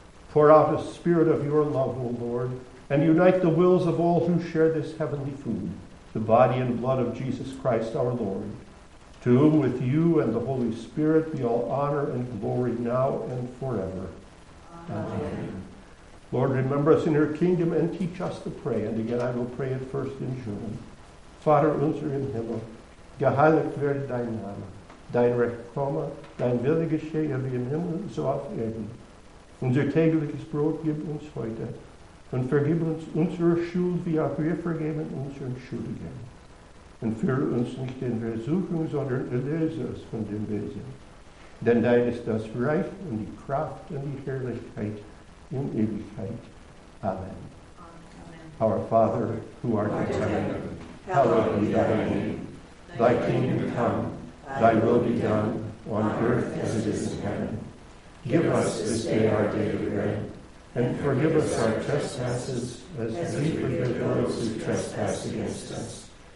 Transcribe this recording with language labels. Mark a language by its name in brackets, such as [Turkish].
[English] Pour out a spirit of your love, O Lord, and unite the wills of all who share this heavenly food, the body and blood of Jesus Christ our Lord, to whom with you and the Holy Spirit be all honor and glory now and forever. Amen. Lord, remember us in your kingdom and teach us to pray. And again, I will pray it first in German. [German] Vater unser im Himmel, geheiligt werde dein Name, dein Recht komme, dein Wille geschehe wie im Himmel, so auf Erden. Unser tägliches Brot gib uns heute und vergib uns unsere Schuld, wie auch wir vergeben unseren Schuldigen. Und führe uns nicht in Versuchung, sondern erlöse uns von dem Bösen. Denn dein ist das Reich und die Kraft und die Herrlichkeit in Ewigkeit. Amen. Amen. [English] Our Father, who art in heaven, hallowed be thy name. Thy kingdom come, thy will be done, on earth as it is in heaven. Give us this day our daily bread, and forgive us our trespasses, as we forgive those who trespass against us.